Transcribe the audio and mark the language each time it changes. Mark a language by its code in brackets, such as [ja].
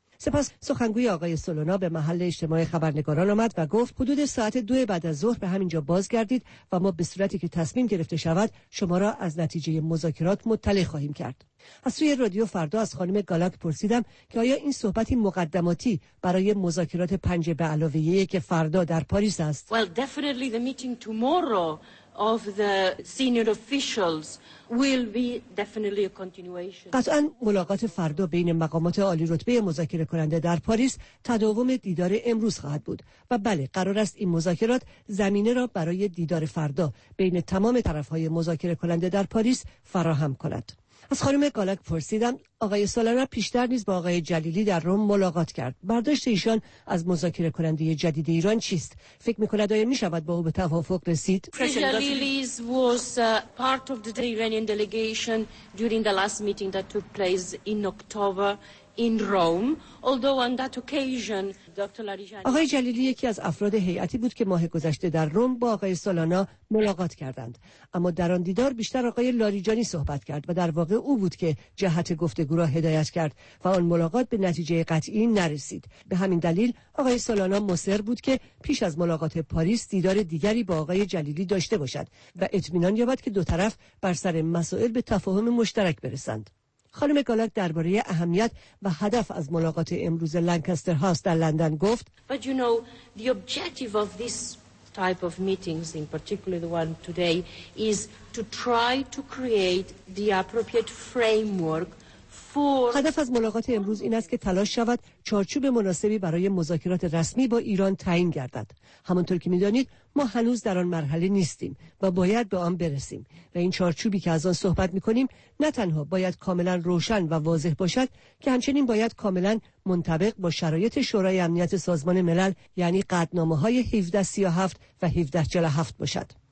[fa] سپس سخنگوی آقای سولانا به محل اجتماع خبرنگاران آمد و گفت حدود ساعت 2 بعد از ظهر به همین جا بازگردید و ما به صورتی که تصمیم گرفته شود شما را از نتیجه مذاکرات مطلع خواهیم کرد. از سوی رادیو فردا از خانم گالاک پرسیدم که آیا این صحبتی مقدماتی برای مذاکرات 5 به علاوه 1 که فردا در پاریس است؟ [en] Well, definitely the meeting tomorrow of the senior officials will be definitely a continuation. [fa] قطعاً ملاقات فردا بین مقامات عالی رتبه مذاکره کننده در پاریس تداوم دیدار امروز خواهد بود و بله، قرار است این مذاکرات زمینه را برای دیدار فردا بین تمام طرف‌های مذاکره کننده در پاریس فراهم کند. از خانم گالاک پرسیدم آقای سولانا پیشتر نیز با آقای جلیلی در روم ملاقات کرد. برداشت ایشان از مذاکره کننده جدید ایران چیست؟ فکر میکند آیا میشود با او به توافق رسید؟ [en] جلیلی was part of the Iranian delegation during the last meeting that took place in October in Rome. Although on that occasion [fa] آقای جلیلی یکی از افراد هیئتی بود که ماه گذشته در روم با آقای سولانا ملاقات کردند، اما در آن دیدار بیشتر آقای لاریجانی صحبت کرد و در واقع او بود که جهت گفتگو را هدایت کرد و آن ملاقات به نتیجه قطعی نرسید. به همین دلیل آقای سولانا مصر بود که پیش از ملاقات پاریس دیدار دیگری با آقای جلیلی داشته باشد و اطمینان یابد که دو طرف بر سر مسائل به تفاهم مشترک برسند. خانم گالاک درباره اهمیت و هدف از ملاقات امروز لانکستر هاوس در لندن گفت: [en] But you know, the objective of this type of meetings, in particular the one today, is to try to create the appropriate framework. [fa] هدف از ملاقات امروز این است که تلاش شود چارچوب مناسبی برای مذاکرات رسمی با ایران تعیین گردد. همانطور که می‌دانید ما هنوز در آن مرحله نیستیم و باید به آن برسیم و این چارچوبی که از آن صحبت می‌کنیم نه تنها باید کاملا روشن و واضح باشد که همچنین باید کاملا منطبق با شرایط شورای امنیت سازمان ملل یعنی قطعنامه‌های 1737 و 1747 باشد.